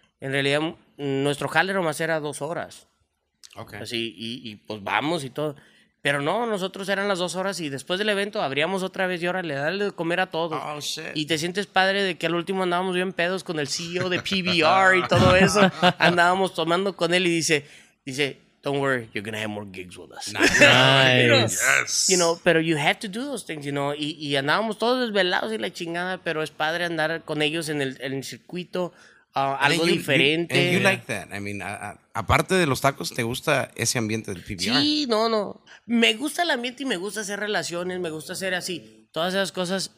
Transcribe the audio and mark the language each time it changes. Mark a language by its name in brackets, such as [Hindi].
[Spanish] En realidad, nuestro jale nomás era 2 horas. Okay. Así, y pues vamos y todo. Pero no, nosotros eran las 2 horas y después del evento abríamos otra vez y ahora le dale de comer a todos. [English] Oh, shit. [Spanish] Y te sientes padre de que al último andábamos bien pedos con el CEO de PBR y todo eso. Andábamos tomando con él y dice, [English] don't worry, you're going to have more gigs with us. Nice. You know, pero you have to do those things, you know. [Spanish] Y andábamos todos desvelados y la chingada, pero es padre andar con ellos en el circuito, algo diferente. [English] You like that. [Spanish] I mean, aparte de los tacos, ¿te gusta ese ambiente del PBR? Sí, no. Me gusta el ambiente y me gusta hacer relaciones, me gusta hacer así, todas esas cosas.